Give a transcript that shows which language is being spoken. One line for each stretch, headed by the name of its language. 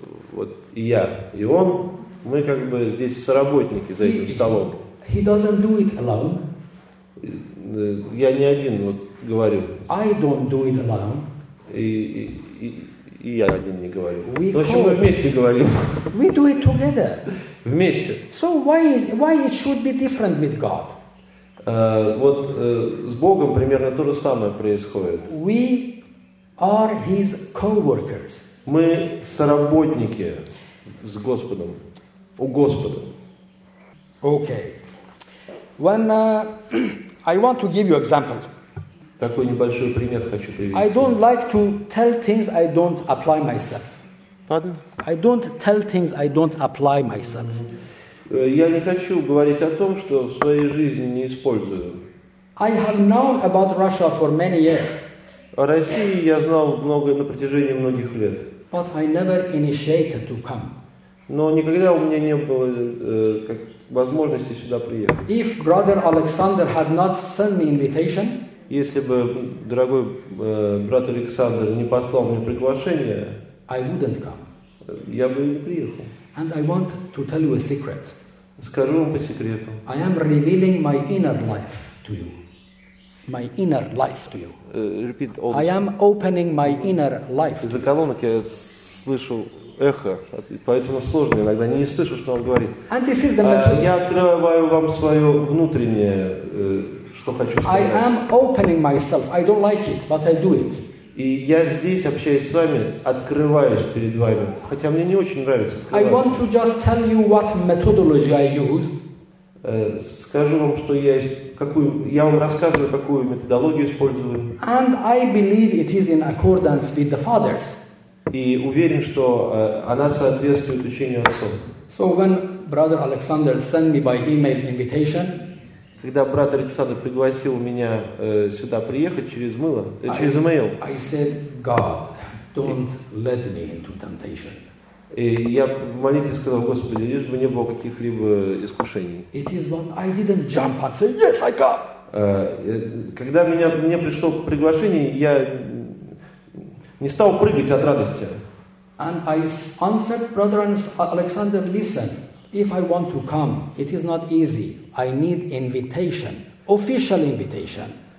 Russian: Вот и я, и он, мы как бы здесь соработники за этим столом.
English: He doesn't do it alone.
Russian: Я не один вот говорю.
English: I don't do it alone.
Russian: И я один не говорю. В общем, мы вместе говорим.
English: We do it together.
Russian: Вместе.
English: So why it should be different with God?
Russian: С Богом примерно то же самое происходит.
English: We are His co-workers.
Russian: Мы соработники с Господом, у Господа.
English: Okay. When I want to give you example.
Russian: Такой небольшой пример хочу привести.
English: I don't like to tell things I don't apply myself. Pardon? I don't tell things I don't apply myself.
Russian: Я не хочу говорить о том, что в своей жизни не использую.
English: I have known about Russia for many years.
Russian: О России я знал много на протяжении многих лет.
English: But I never initiated to come.
Russian: Но никогда у меня не было возможности сюда приехать.
English: If brother Alexander had not sent me invitation,
Russian: если бы дорогой брат Александр не послал мне приглашение,
English: I wouldn't come.
Russian: Я бы не приехал.
English: And I want to tell you a secret.
Russian: Скажу вам по секрету.
English: I am revealing my inner life to you. My inner life to you. Repeat all. I am opening my inner life.
Russian: Из-за колонок я слышу эхо, поэтому сложно иногда не слышу, что он говорит.
English: And this is the message.
Russian: Я открываю вам свое внутреннее, что хочу сказать.
English: I am opening myself. I don't like it, but I do it.
Russian: И я здесь общаюсь с вами, открываюсь перед вами, хотя мне не очень нравится. Открываться.
English: I want to just tell you what methodology I use.
Russian: Скажу вам, что я вам рассказываю, какую методологию использую.
English: And I believe it is in accordance with the fathers.
Russian: И уверен, что она соответствует учению отцов.
English: So when brother Alexander sent me by email invitation,
Russian: когда брат Александр пригласил меня сюда приехать через email,
English: I said, God, don't let me into temptation.
Russian: И я в молитве сказал, Господи, лишь бы не было каких-либо искушений.
English: It is when I didn't jump and say, yes, I come.
Russian: Когда мне пришло приглашение, я не стал прыгать от радости.
English: And I answered, brother Alexander, listen, if I want to come, it is not easy. I need invitation, official invitation.